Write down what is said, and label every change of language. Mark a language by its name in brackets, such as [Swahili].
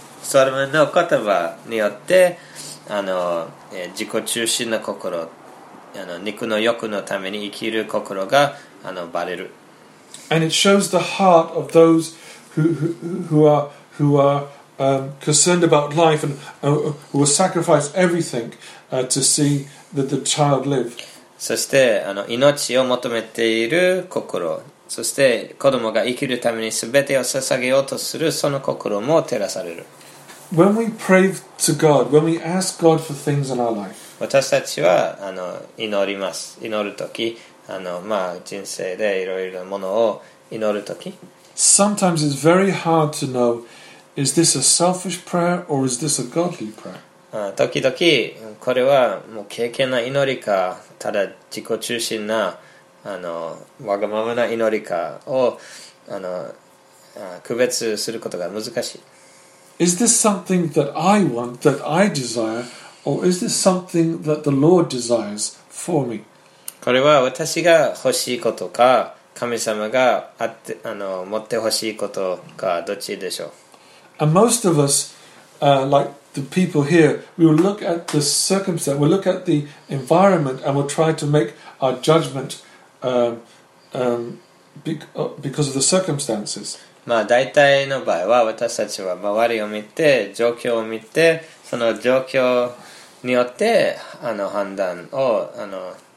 [Japanese] ソロモンの言葉によって、あの、自己中心の心、あの、肉の欲のために生きる心が、あの、バレる。 [English] And it shows the heart of those who are concerned about life and who will sacrifice everything to see that the child live. [Japanese] そしてあの命を求めている心、そして子供が生きるためにすべてを捧げようとするその心も照らされる。 [English] When we pray to God, when we ask God for things in our life, [Japanese] 私たちはあの祈ります。祈るとき。あのまあ、人生でいろいろなものを祈るとき、 [English] Sometimes it's very hard to know, is this a selfish prayer or is this a godly prayer? [Japanese] 時々これはもう敬虔な祈りか、ただ自己中心なあのわがままな祈りかをあの区別することが難しい。 [English] Is this something that I want, that I desire, or is this something that the Lord desires for me? [Japanese] これは私が欲しいことか、神様があって、あの、持って欲しいことか、どっちでしょう。 [English] And most of us, like the people here, we will look at the circumstance, we'll look at the environment, and we'll try to make our judgment, because of the circumstances. [Japanese] まあ、大体の場合は、私たちは周りを見て、状況を見て、その状況によって、あの、判断を、あの、